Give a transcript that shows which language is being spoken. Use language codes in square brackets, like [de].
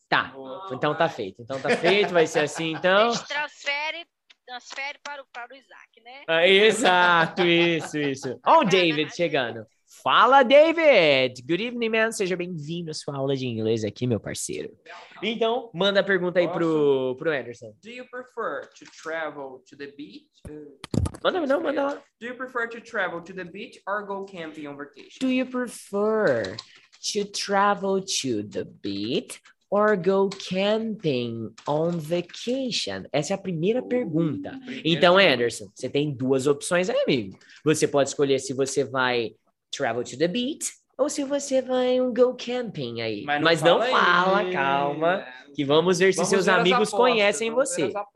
[pt] Tá. Boa. Então tá feito. Então tá feito, vai ser assim, então. A gente transfere transfere para o Isaac, né? Ah, exato, isso, isso. Olha o David chegando. Fala, David! [en] Good evening, man. [pt] Seja bem-vindo à sua aula de inglês aqui, meu parceiro. Então, manda a pergunta aí pro Anderson. [en] Do you prefer to travel to the beach? [pt] Manda, não, manda lá. [en] Do you prefer to travel to the beach or go camping on vacation? Do you prefer to travel to the beach or go camping on vacation? [pt] Essa é a primeira pergunta. Então, Anderson, você tem duas opções aí, amigo. Você pode escolher se você vai [en] travel to the beach [pt] ou se você vai um [en] go camping [pt] aí. Mas não fala aí. Calma, que vamos ver se vamos seus ver amigos apostas, conhecem você.